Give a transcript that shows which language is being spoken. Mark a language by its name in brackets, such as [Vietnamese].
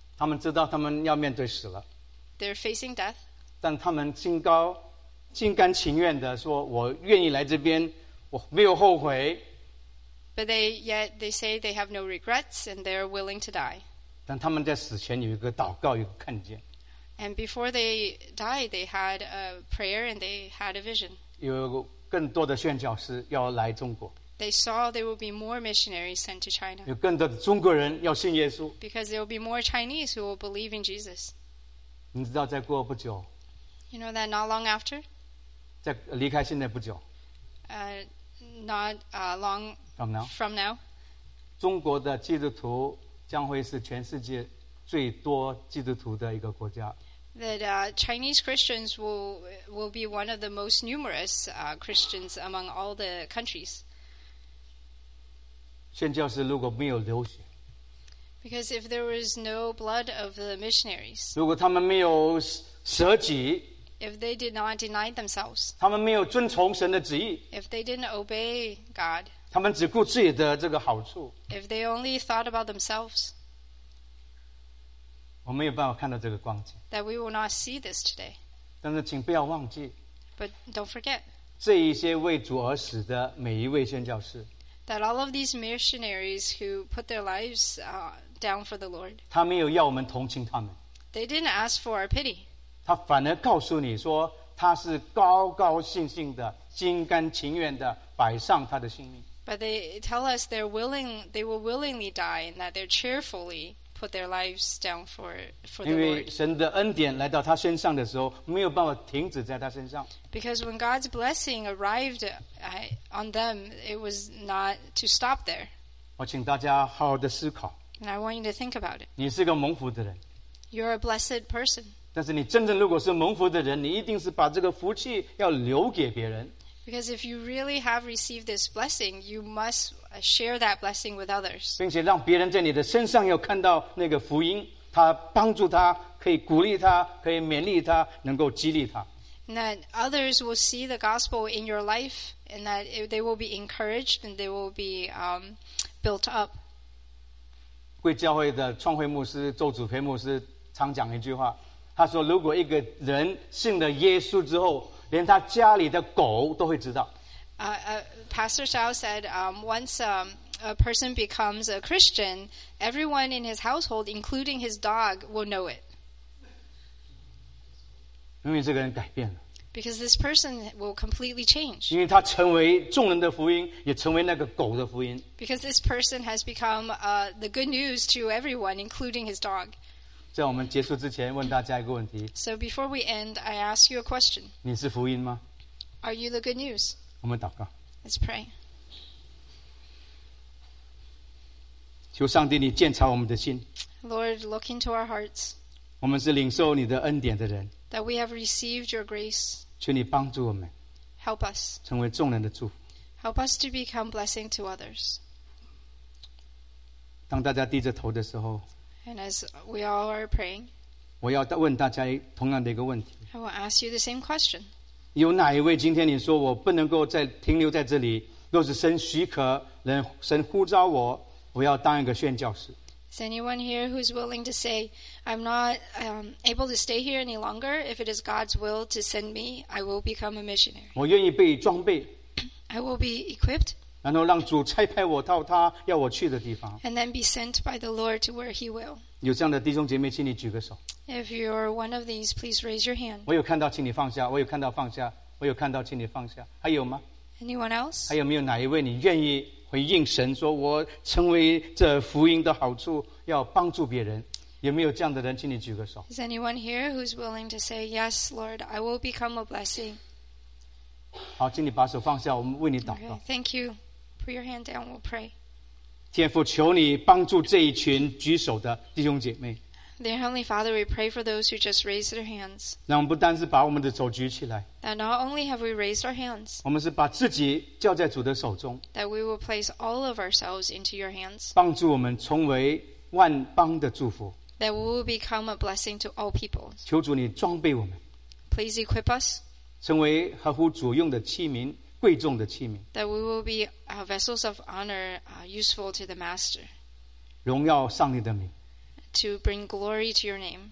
[Chinese] 他们知道他们要面对死了。 [English] They're facing death. [Chinese] 但他们心高。心甘情愿地说，我愿意来这边，我没有后悔。 [English] But they say they have no regrets and they are willing to die. [Chinese] 但他们在死前有一个祷告，有一个看见。 [English] And before they died, they had a prayer and they had a vision. [Chinese] 有更多的宣教师要来中国。 [English] They saw there will be more missionaries sent to China. [Chinese] 有更多的中国人要信耶稣。 [English] Because there will be more Chinese who will believe in Jesus. [Chinese] 你知道，再过不久。 [English] You know that not long after? [Chinese] 在离开现在不久。 [English] Not long from now. From now. [Chinese] 中国的基督徒将会是全世界最多基督徒的一个国家。 [English] That Chinese Christians will be one of the most numerous Christians among all the countries. [Chinese] 宣教士如果没有流血。 [English] Because if there was no blood of the missionaries. [Chinese] 如果他们没有舍己。 [English] If they did not deny themselves, [Chinese] 他们没有遵从神的旨意。 [English] If they didn't obey God, [Chinese] 他们只顾自己的这个好处。 [English] If they only thought about themselves, [Chinese] 我没有办法看到这个光景。 [English] That we will not see this today. [Chinese] 但是请不要忘记。 [English] But don't forget. [Chinese] 这一些为主而死的每一位宣教士。 [English] That all of these missionaries who put their lives down for the Lord. [Chinese] 他没有要我们同情他们。 [English] They didn't ask for our pity. [Chinese] 他反而告诉你说，他是高高兴兴的心甘情愿的摆上他的性命。 [English] But they tell us they're willing, they will willingly die and that they're cheerfully put their lives down for the Lord. [Chinese] 因为神的恩典来到他身上的时候，没有办法停止在他身上。 [English] Because when God's blessing arrived on them, it was not to stop there. [Chinese] 我请大家好好的思考。 [English] And I want you to think about it. [Chinese] 你是个蒙福的人。 [English] You're a blessed person. [Chinese] 但是你真正如果是蒙福的人，你一定是把这个福气要留给别人。 [English] Because if you really have received this blessing, you must share that blessing with others. [Chinese] 并且让别人在你的身上要看到那个福音，他帮助他，可以鼓励他，可以勉励他，能够激励他。 [English] And that others will see the gospel in your life, and that they will be encouraged and they will be built up. [Chinese] 贵教会的创会牧师周祖培牧师常讲一句话，他说：“如果一个人信了耶稣之后，连他家里的狗都会知道。” [English] Pastor Shao said, once a person becomes a Christian, everyone in his household, including his dog, will know it. [Chinese] 因为这个人改变了。 [English] Because this person will completely change. [Chinese] 因为他成为众人的福音，也成为那个狗的福音。 [English] Because this person has become the good news to everyone, including his dog. [Chinese] 在我们结束之前问大家一个问题。 [English] So before we end, I ask you a question. [Chinese] 你是福音吗？ [English] Are you the good news? [Chinese] 我们祷告。 [English] Let's pray. [Chinese] 求上帝你鉴察我们的心。 [English] Lord, look into our hearts. [Chinese] 我们是领受你的恩典的人。 [English] That we have received your grace. [Chinese] 求你帮助我们。 [English] Help us. [Chinese] 成为众人的祝福。 [English] Help us to become blessing to others. [Chinese] 当大家低着头的时候， [English] And as we all are praying, [Chinese] 我要问大家同样的一个问题。 [English] I will ask you the same question. [Chinese] 有哪一位今天你说我不能够再停留在这里，若是神许可，神呼召我，我要当一个宣教士。 [English] Is anyone here who is willing to say, I'm not able to stay here any longer? If it is God's will to send me, I will become a missionary. [Chinese] 我愿意被装备。 [English] I will be equipped. [Chinese] 然后让主差派我到他要我去的地方。 [English] And then be sent by the Lord to where He will. [Chinese] 有这样的弟兄姐妹，请你举个手。 [English] If you're one of these, please raise your hand. [Chinese] 我有看到，请你放下。我有看到，放下。我有看到，请你放下。还有吗 [English] ？Anyone else？ [Chinese] 还有没有哪一位你愿意回应神，说我成为这福音的好处，要帮助别人？有没有这样的人，请你举个手。 [English] Is anyone here who's willing to say yes, Lord? I will become a blessing. [Chinese] 好，请你把手放下，我们为你祷告。 [English] Okay, thank you. Put your hand down, we'll pray. [Chinese] 天父，求你帮助这一群举手的弟兄姐妹。 [English] Dear Heavenly Father, we pray for those who just raised their hands. [Chinese] 让我们不单是把我们的手举起来。 [English] That not only have we raised our hands. [Chinese] 我们是把自己交在主的手中。 [English] That we will place all of ourselves into your hands. [Chinese] 帮助我们成为万邦的祝福。 [English] That we will become a blessing to all people. [Chinese] 求主你装备我们。 [English] Please equip us. [Chinese] 成为合乎主用的器皿。贵重的器皿 [English] that we will be vessels of honor useful to the master [Chinese] 荣耀上帝的名 [English] to bring glory to your name